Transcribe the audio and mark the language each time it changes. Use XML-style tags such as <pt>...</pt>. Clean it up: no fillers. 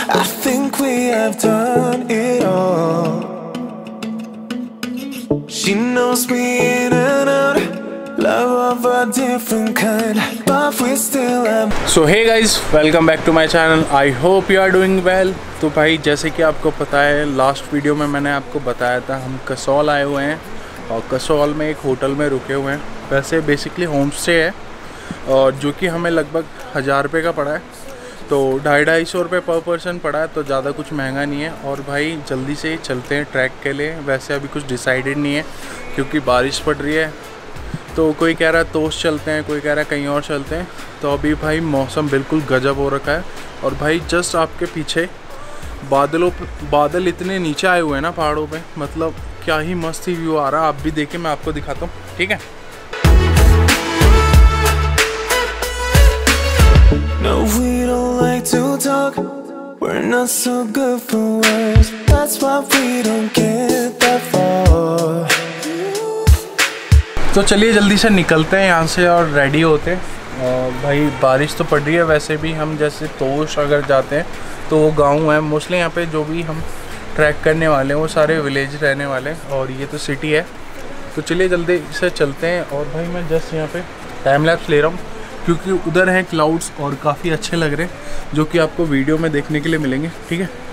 <en>I think we have done it all. She knows me in and out. Love of a different kind, but we still am. So hey guys, welcome back to my channel. I hope you are doing well.</en> <hi>तो भाई जैसे कि आपको पता है, last video में मैंने आपको बताया था हम कसौल आए हुए हैं और कसौल में एक होटल में रुके हुए हैं. वैसे बेसिकली होम स्टे है और जो कि हमें लगभग 1000 रुपये का पड़ा है, तो 250-250 रुपये पर पर्सन पड़ा है, तो ज़्यादा कुछ महंगा नहीं है. और भाई जल्दी से चलते हैं ट्रैक के लिए. वैसे अभी कुछ डिसाइडेड नहीं है क्योंकि बारिश पड़ रही है, तो कोई कह रहा है तोस चलते हैं, कोई कह रहा है कहीं और चलते हैं. तो अभी भाई मौसम बिल्कुल गजब हो रखा है और भाई जस्ट आपके पीछे बादल इतने नीचे आए हुए हैं ना पहाड़ों पे, मतलब क्या ही मस्त ही व्यू आ रहा है. आप भी देखें, मैं आपको दिखाता हूँ. ठीक है.</hi> <en>No, we don't like to talk. We're not so good for words. That's why we don't get that far.</en> <hi>तो चलिए जल्दी से निकलते हैं यहाँ से और रेडी होते हैं. भाई बारिश तो पड़ रही है. वैसे भी हम जैसे तोश अगर जाते हैं तो वो गांव है मोस्टली. यहाँ पे जो भी हम ट्रैक करने वाले हैं वो सारे विलेज रहने वाले हैं और ये तो सिटी है. तो चलिए जल्दी से चलते हैं. और भाई मैं जस्ट यहाँ पे टाइम लैप्स ले रहा हूँ क्योंकि उधर हैं क्लाउड्स और काफ़ी अच्छे लग रहे हैं, जो कि आपको वीडियो में देखने के लिए मिलेंगे. ठीक है.</hi>